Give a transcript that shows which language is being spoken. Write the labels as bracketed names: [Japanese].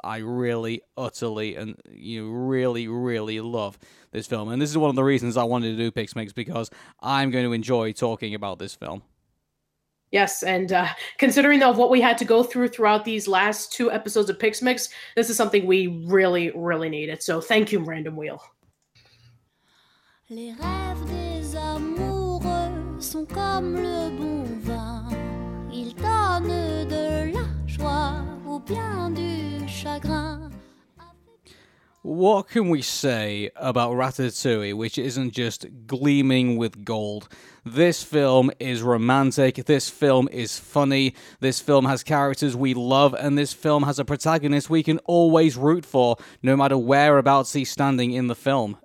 [English] I really, utterly, and you know, really, really love this film, and this is one of the reasons I wanted to do PixMix, because I'm going to enjoy talking about this film. Yes, and considering though what we had to go through throughout these last two episodes of PixMix, this is something we really, really needed. So thank you, Random Wheel. [French] Les rêves des amoureux sont comme le bon vin. Ils donnent de la joie ou bien du chagrin. [English] What can we say about Ratatouille, which isn't just gleaming with gold? This film is romantic, this film is funny, this film has characters we love, and this film has a protagonist we can always root for, no matter whereabouts he's standing in the film.